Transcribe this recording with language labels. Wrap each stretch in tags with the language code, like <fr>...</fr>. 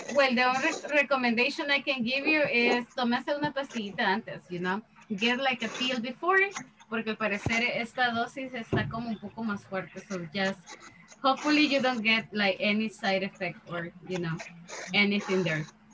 <en>Well, the only recommendation I can give you is</en> <es>tomase una pastillita antes,</es> <en>you know? Get like a pill before,</en> <es>porque al parecer esta dosis está como un poco más fuerte.</es> <en>So just hopefully you don't get like any side effect or, you know, anything there.</en>